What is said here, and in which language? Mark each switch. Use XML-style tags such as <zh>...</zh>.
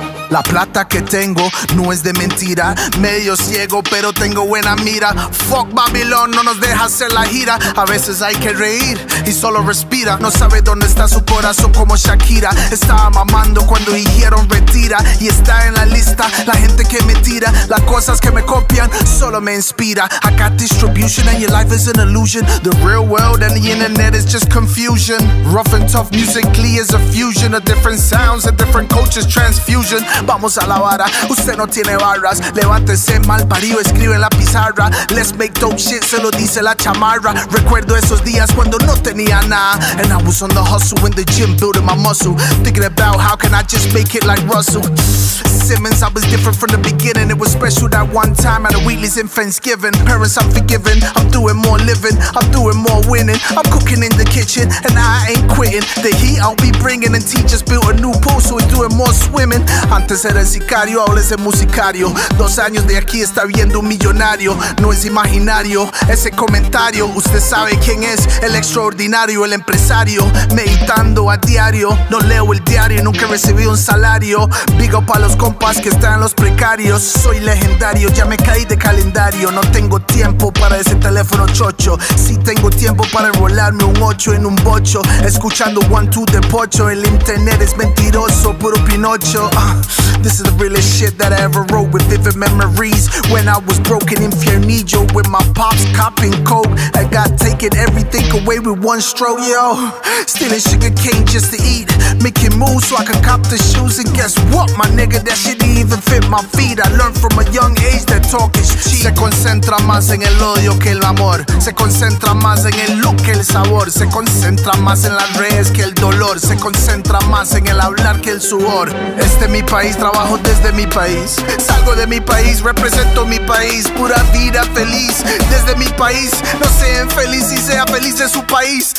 <es>La plata que tengo no es de mentira. Medio ciego, pero tengo buena mira. Fuck Babilón, no nos deja hacer la gira. A veces hay que reír y solo respira. No sabe dónde está su corazón como Shakira. Estaba mamando cuando dijeron retira. Y está en la lista la gente que me tira. Las cosas que me copian solo me inspira.</es> <en>I got distribution and your life is an illusion. The real world and the internet is just confusion. Rough and tough musically is a fusion of different sounds and different cultures, transfusion.</en> <es>Vamos a la vara, usted no tiene barras. Levántese mal parido, escribe en la pizarra.</es> <en>Let's make dope shit,</en> <es>se lo dice la chamarra. Recuerdo esos días cuando no tenía nada.</es> <en>And I was on the hustle in the gym building my muscle. Thinking about how can I just make it like Russell Simmons. I was different from the beginning. It was special that one time at a Wheatley's in Thanksgiving. Parents, I'm forgiven, I'm doing more living. I'm doing more winning. I'm cooking in the kitchen and I ain't quitting. The heat I'll be bringing and teachers built a new pool, so we're doing more swimming.</en> <es>Antes era el sicario, ahora es el musicario. Dos años de aquí está viendo un millonario. No es imaginario ese comentario. Usted sabe quién es el extraordinario, el empresario. Meditando a diario, no leo el diario, nunca he recibido un salario.</es> <en>Big up</en> <es>a los compas que están los precarios. Soy legendario, ya me caí de calendario. No tengo tiempo para ese teléfono chocho. Sí tengo tiempo para enrolarme un 8 en un bocho. Escuchando 1-2 de pocho. El internet es mentiroso, puro pinocho.</es> <en>This is the realest shit that I ever wrote, with vivid memories when I was broken in Fiernillo with my pops copping coke. I got taking everything away with one stroke, yo. Stealing sugar cane just to eat, making moves so I can cop the shoes. And guess what, my nigga, that shit didn't even fit my feet. I learned from a young age that talk is cheap.</en> <es>Se concentra más en el odio que el amor. Se concentra más en el look que el sabor. Se concentra más en las redes que el dolor. Se concentra más en el hablar que el sudor. Este mi país, trabajo desde mi país. Salgo de mi país, represento mi país. Pura vida feliz desde mi país. No sea infeliz y sea feliz de su país.</es>